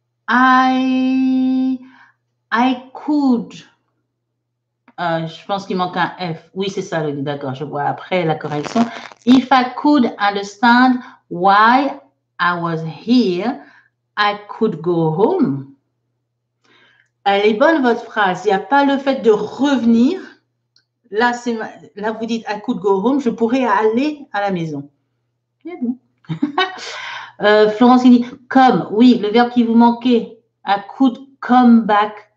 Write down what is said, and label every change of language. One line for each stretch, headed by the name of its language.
English: I could.
French: Je pense qu'il manque un F. Oui, c'est ça, d'accord, je vois après la correction.
English: If I could understand why I was here, I could go home.
French: Elle est bonne, votre phrase. Il n'y a pas le fait de revenir. Là, c'est ma... Là, vous dites
English: I could go home,
French: je pourrais aller à la maison. Bien. Florence, il dit come. Oui, le verbe qui vous manquait.
English: I could come back.